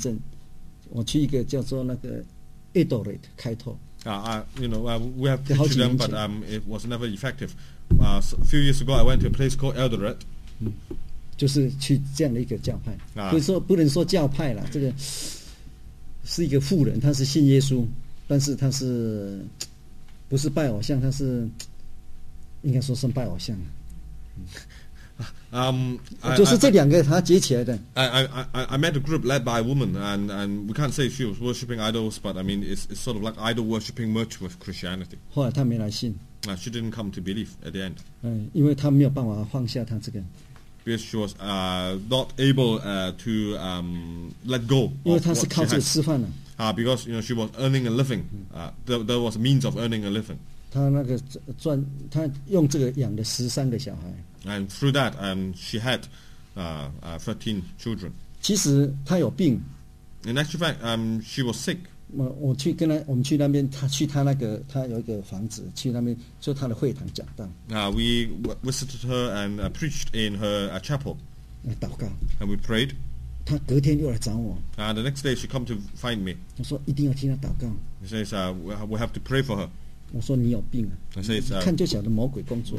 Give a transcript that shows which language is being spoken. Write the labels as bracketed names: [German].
[Chinese] 这个我有去宣道过，但是那个人没来。这个有一个很长，不能说很长，至少要一个至少半个小时的见证。我去一个叫做那个 Adorate 开拓。 [English] We have preached them, but it was never effective. A few years ago, I went to a place called Adorate. [Chinese] 就是去这样的一个教派，不能说教派了，这个是一个妇人，她是信耶稣，但是她是。不是拜偶像，他是应该说是拜偶像。就是这两个他结起来的。 [English] I met a group led by a woman, and we can't say she was worshipping idols, but I mean it's sort of like idol worshipping merged with Christianity. [Chinese] 后来他没来信。 [English] She didn't come to believe at the end. [Chinese] 因为他没有办法放下他这个。 [English] Because she was not able to let go. [Chinese] 因为他是靠这个吃饭的。 [English] Because you know she was earning a living, there was a means of earning a living. [Chinese] 她用这个养了13个小孩。 [English] And through that, she had 13 children. [Chinese] 其实她有病。 [English] In actual fact, she was sick. [Chinese] 我们去那边，她有一个房子，去那边就她的会堂讲道。 [English] We visited her and preached in her chapel. [Chinese] 祷告。 [English] And we prayed. [Chinese] 他隔天又来找我。 [English] The next day she come to find me. [Chinese] 我说一定要替他祷告。 [English] He says, we have to pray for her. [Chinese] 我说你有病啊。 [English] I says, [Chinese] 看就晓得魔鬼工作。